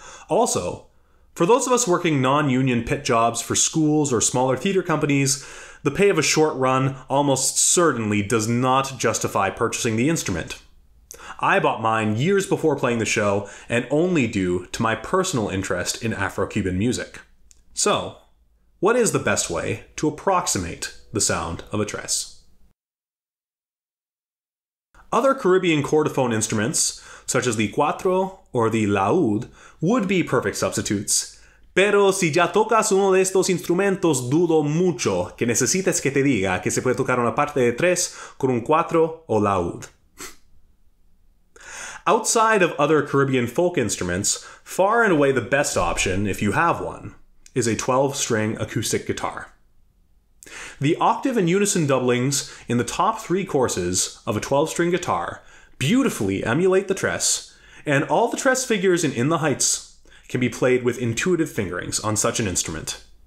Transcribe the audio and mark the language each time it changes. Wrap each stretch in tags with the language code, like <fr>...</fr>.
<en>Also, for those of us working non-union pit jobs for schools or smaller theater companies, the pay of a short run almost certainly does not justify purchasing the instrument. I bought mine years before playing the show, and only due to my personal interest in Afro-Cuban music. So, what is the best way to approximate the sound of a TRES? Other Caribbean chordophone instruments, such as the cuatro or the laúd, would be perfect substitutes,</en> <es>pero si ya tocas uno de estos instrumentos, dudo mucho que necesites que te diga que se puede tocar una parte de tres con un cuatro o laúd.</es> <en>Outside of other Caribbean folk instruments, far and away the best option, if you have one, is a 12-string acoustic guitar. The octave and unison doublings in the top 3 courses of a 12-string guitar beautifully emulate the TRES, and all the TRES figures in the Heights can be played with intuitive fingerings on such an instrument.</en>